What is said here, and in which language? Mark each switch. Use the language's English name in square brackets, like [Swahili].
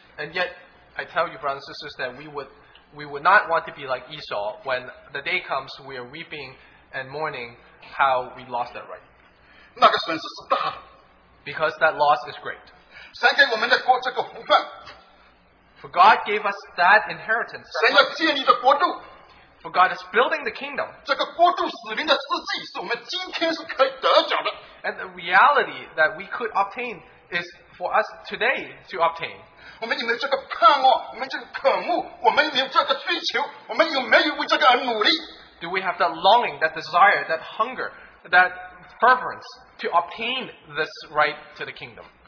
[English] And yet, I tell you, brothers and sisters, that we would not want to be like Esau when the day comes we are weeping and mourning how we lost that right. [Chinese] 那个损失是大的。 [English] Because that loss is great. [Chinese] 神给我们的国这个福分, [English] For God gave us that inheritance. [Chinese] 神要建立的国度, [English] For God is building the kingdom. And the reality that we could obtain is for us today to obtain. [Chinese] 我们有没有这个盼望,我们这个渴慕,我们有没有这个追求, [English] Do we have that longing, that desire, that hunger, that fervence to obtain this right to the kingdom?